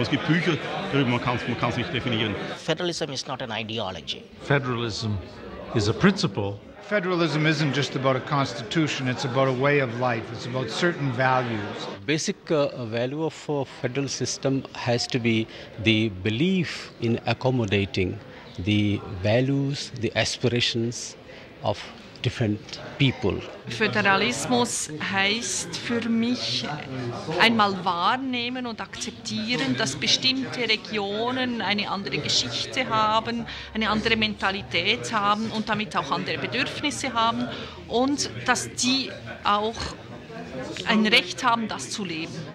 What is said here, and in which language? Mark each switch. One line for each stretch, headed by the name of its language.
German: Es gibt Bücher darüber, man kann es nicht definieren.
English: Federalism is not an ideology. Federalism is a principle. Federalism isn't just about a constitution, it's about a way of life, it's about certain values. Basic value of a federal system has to be the belief in accommodating the values, the aspirations of different people.
German: Föderalismus heißt für mich einmal wahrnehmen und akzeptieren, dass bestimmte Regionen eine andere Geschichte haben, eine andere Mentalität haben und damit auch andere Bedürfnisse haben und dass die auch ein Recht haben, das zu leben.